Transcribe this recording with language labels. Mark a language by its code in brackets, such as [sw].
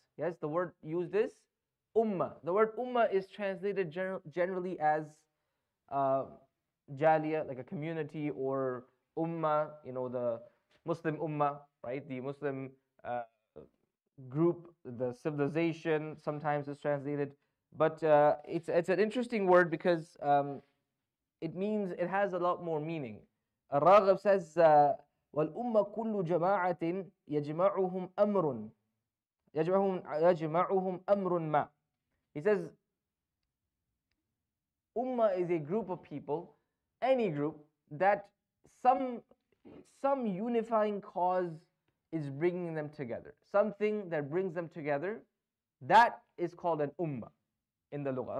[en] Yes, the word used is Ummah. The word Ummah is translated generally as Jaliyah, like a community, or Ummah, the Muslim Ummah, right? The Muslim group, the civilization sometimes is translated. But it's an interesting word because it has a lot more meaning. [ar] Al-Raghib says, وَالْأُمَّ كُلُّ جَمَاعَةٍ يَجْمَعُهُمْ أَمْرٌ يَجْمَعُهُمْ أَمْرٌ مَا. [en] He says, Ummah is a group of people, any group, that some unifying cause is bringing them together. Something that brings them together, that is called an Ummah. In the Lugha.